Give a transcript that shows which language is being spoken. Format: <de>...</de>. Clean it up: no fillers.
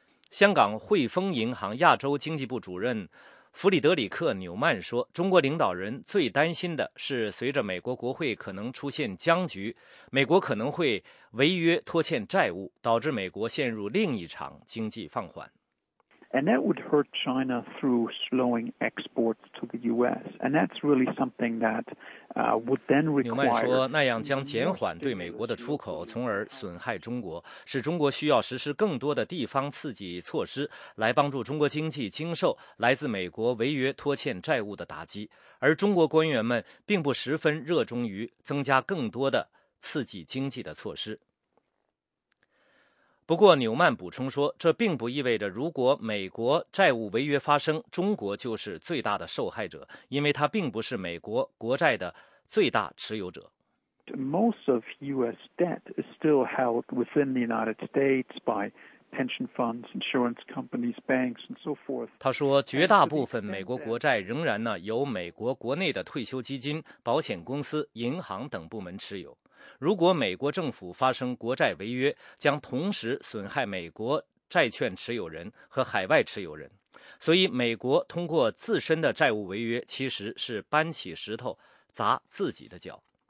<zh>香港汇丰银行亚洲经济部主任弗里德里克·纽曼说，中国领导人最担心的是随着美国国会可能出现僵局，美国可能会违约拖欠债务，导致美国陷入另一场经济放缓。</zh> <en>And that would hurt China through slowing exports to the U.S. And that's really something that would then require.</en> <zh>纽曼说，那样将减缓对美国的出口，从而损害中国，使中国需要实施更多的地方刺激措施来帮助中国经济经受来自美国违约拖欠债务的打击。而中国官员们并不十分热衷于增加更多的刺激经济的措施。不过纽曼补充说，这并不意味着如果美国债务违约发生，中国就是最大的受害者，因为它并不是美国国债的最大持有者。</zh> <en>Most of US debt is still held within the United States by pension funds, insurance companies, banks, and so forth.</en> <zh>他说，绝大部分美国国债仍然呢由美国国内的退休基金、保险公司、银行等部门持有。如果美国政府发生国债违约，将同时损害美国债券持有人和海外持有人，所以美国通过自身的债务违约其实是搬起石头砸自己的脚。</zh>